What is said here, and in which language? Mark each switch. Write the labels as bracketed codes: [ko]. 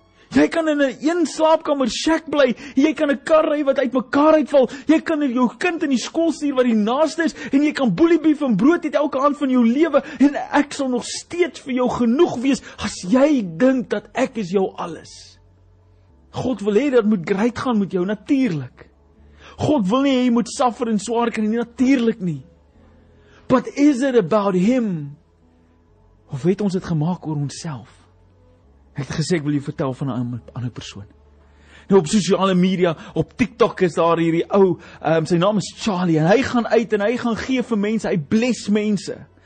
[af] Jy kan in 'n een slaapkamer shack bly, jy kan 'n kar ry wat uit mekaar uitval, jy kan jou kind in die skool stuur wat die naaste is, en jy kan boeliebief en brood eet elke aand van jou lewe, en ek sal nog steeds vir jou genoeg wees, as jy dink dat ek is jou alles. God wil hê dat moet great gaan met jou, natuurlik. God wil nie hê jy moet suffer en swaar kry nie, natuurlik nie. [en] But is it about him? [af] Of het ons dit gemaak oor onsself? Ek het gesê, ek wil jou vertel van 'n ander persoon. Nou op sosiale media, op TikTok is daar hierdie ou, sy naam is Charlie, en hy gaan uit en hy gaan gee vir mense, hy bless mense.